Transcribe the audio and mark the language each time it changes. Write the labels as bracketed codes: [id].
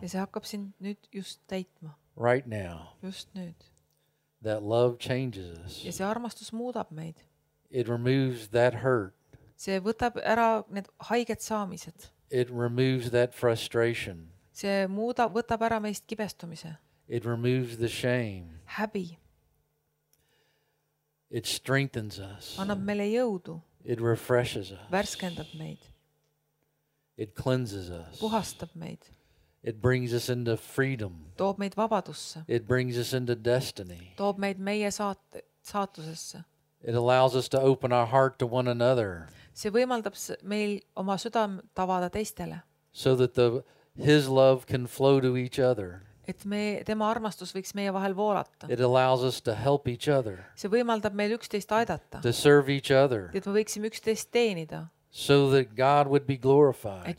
[et] Ja see hakkab sind nüüd just täitma. [en] Right now. [et] Just nüüd. [en] That love changes us. [et] Ja see armastus muudab meid. [en] It removes that hurt. [et] See võtab ära need haiged saamised. [en] It removes that frustration. [et] See võtab ära meist kibestumise. [en] It removes the shame. [et] Häbi. [en] It strengthens us. [et] Annab meile jõudu. [en] It refreshes us. [et] Värskendab meid. [en] It cleanses us. [et] Puhastab meid. [en] It brings us into freedom. [et] Toob meid vabadusse. [en] It brings us into destiny. [et] Toob meid meie saatusesse. [en] It allows us to open our heart to one another. [et] See võimaldab meil oma südam tavada teistele. [en] So that his love can flow to each other. [et] Et tema armastus võiks meie vahel voolata. [en] It allows us to help each other. [et] See võimaldab meil üksteist aidata. [en] To serve each other. [et] Et me võiksime üksteist teenida. [en] So that God would be glorified.